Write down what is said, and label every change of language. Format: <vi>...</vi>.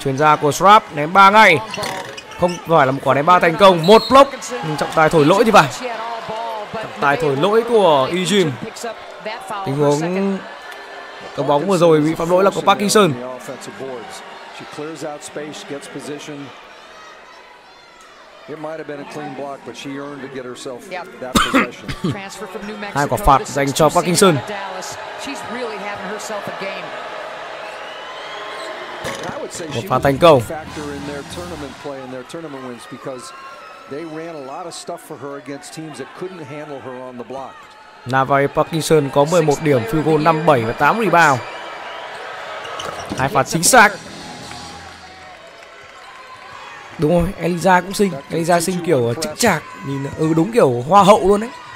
<vi>Chuyền ra của Schrapp ném 3 ngay. Không phải là một quả ném 3 thành công, một block. Nhưng trọng tài thổi lỗi thì phải. Trọng tài thổi lỗi của Ijim. Tình huống cầm bóng vừa rồi bị phạm lỗi là của Parkinson.</vi> <en>She clears out space, gets position. It might have been a clean block, but she earned to get herself that possession. Transfer from New Mexico.</en> <vi>Hai quả phạt dành cho Parkinson.</vi> <en>She's really having herself a game. I would say</en> <vi>một pha thành công.</vi> <en>Factor in their tournament play and their tournament wins because they ran a lot of stuff for her against teams that couldn't handle her on the block.</en> <vi>Navai Parkinson có 11 điểm, field goal 57 và 8 rebound. Hai phạt chính xác. Đúng rồi, Eliza cũng xinh. Eliza xinh kiểu chững chạc, nhìn đúng kiểu hoa hậu luôn đấy.</vi>